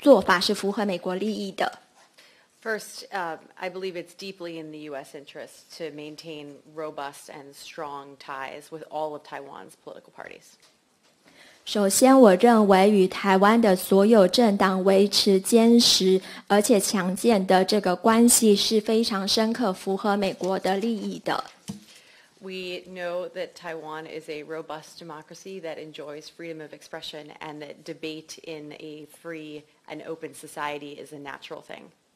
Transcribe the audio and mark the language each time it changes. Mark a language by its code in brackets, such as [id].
[zh] 谢谢您。那可能我的回答比较不会帮您进行相关的这个议题的分析，但是我可以跟您分享哪些做法是符合美国利益的。 [en] First, I believe it's deeply in the U.S. interest to maintain robust and strong ties with all of Taiwan's political parties. [zh] 首先，我认为与台湾的所有政党维持坚实而且强健的这个关系是非常深刻、符合美国的利益的。We [en] know that Taiwan is a robust democracy that enjoys freedom of expression and that debate in a free and open society is a natural thing.